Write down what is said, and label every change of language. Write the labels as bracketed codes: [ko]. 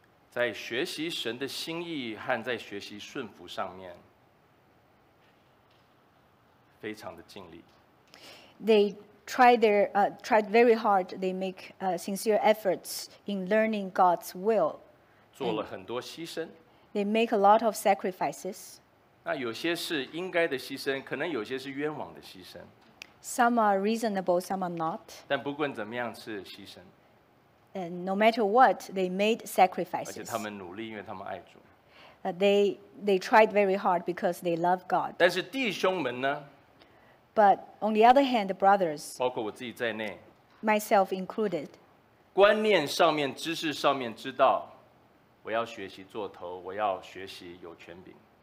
[zh] 在学习神的心意和在学习顺服上面非常的尽力。 [en] They tried very hard. They make sincere efforts in learning God's will. [zh] 做了很多牺牲。 [en] They make a lot of sacrifices. [zh] 那有些是应该的牺牲，可能有些是冤枉的牺牲。 [en] Some are reasonable, some are not. [zh] 但不管怎么样是牺牲。 [en] And no matter what, they made sacrifices. [zh] 而且他们努力，因为他们爱主。 [en] They tried very hard because they love God. [zh] 但是弟兄们呢？ [en] But on the other hand, the brothers, [zh] 包括我自己在内, [en] myself included, [zh] 观念上面、知识上面知道，我要学习做头，我要学习有权柄。